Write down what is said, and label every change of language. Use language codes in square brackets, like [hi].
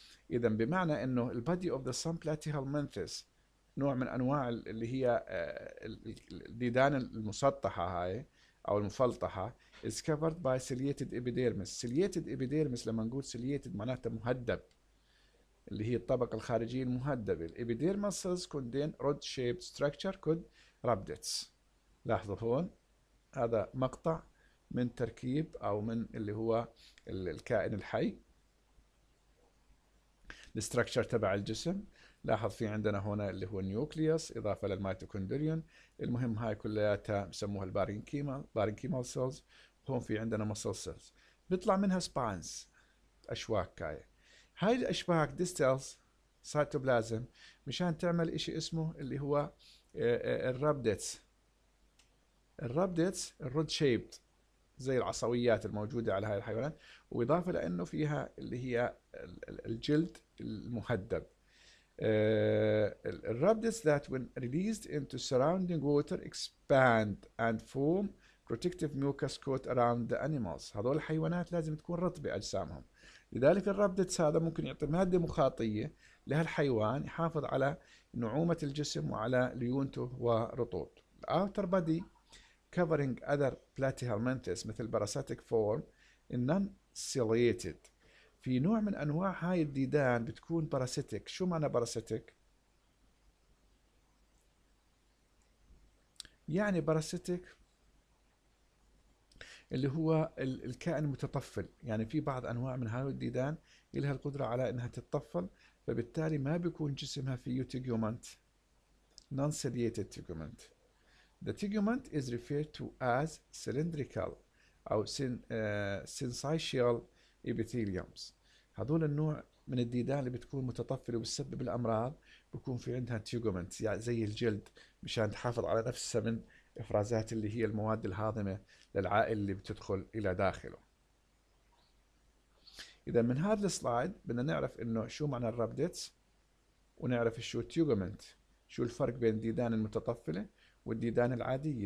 [ar] إذا بمعنى إنه [en] the body of the some plateal manthus [ar] نوع من أنواع اللي هي الديدان المسطحة هاي أو المفلطحة [en] is covered by ciliated epidermis. [ar] Ciliated epidermis لما نقول ciliated معناته مهدب، اللي هي الطبقة الخارجية المهدبة. [en] Epidermis cells contain rod-shaped structure called rhabdids. [ar] لاحظوا هون هذا مقطع من تركيب او من اللي هو الكائن الحي، الستركتشر تبع الجسم. لاحظ في عندنا هنا اللي هو النيوكليوس اضافه للميتوكوندريون، المهم هاي كلياتها بسموها البارينكيما، بارينكيمال سيلز. هون في عندنا مسل سيلز بيطلع منها سبانز، اشواك كاية. هاي الاشواك ديستلز سيتوبلازم مشان تعمل شيء اسمه اللي هو الرابديتس. الرابديتس الرود شيبد زي العصويات الموجودة على هاي الحيوانات، وإضافة لأنه فيها اللي هي الجلد المهدب. [en] الرابدس that when released into surrounding water expand and form protective mucus coat around the animals. [ar] هذول الحيوانات لازم تكون رطبة أجسامهم، لذلك الرابدس هذا ممكن يعطي مادة مخاطية لهالحيوان يحافظ على نعومة الجسم وعلى ليونته ورطوبته. [en] الأوتر body covering other platyhelminthes مثل parasitic form in non-ciliated. [ar] في نوع من أنواع هاي الديدان بتكون parasitic. شو معنى parasitic؟ يعني parasitic اللي هو الكائن المتطفل، يعني في بعض أنواع من هاي الديدان لها القدرة على أنها تتطفل، فبالتالي ما بيكون جسمها فيه tegument، non-ciliated tegument. [en] The tegument is referred to as cylindrical أو syncytial epitheliums. [ar] هذول النوع من الديدان اللي بتكون متطفلة وبتسبب الأمراض بيكون في عندها tegument يعني زي الجلد مشان تحافظ على نفسها من إفرازات اللي هي المواد الهاضمة للعائل اللي بتدخل إلى داخله. إذا من هذا السلايد بدنا نعرف إنه شو معنى الرابديتس ونعرف شو tegument، شو الفرق بين الديدان المتطفلة والديدان العادية.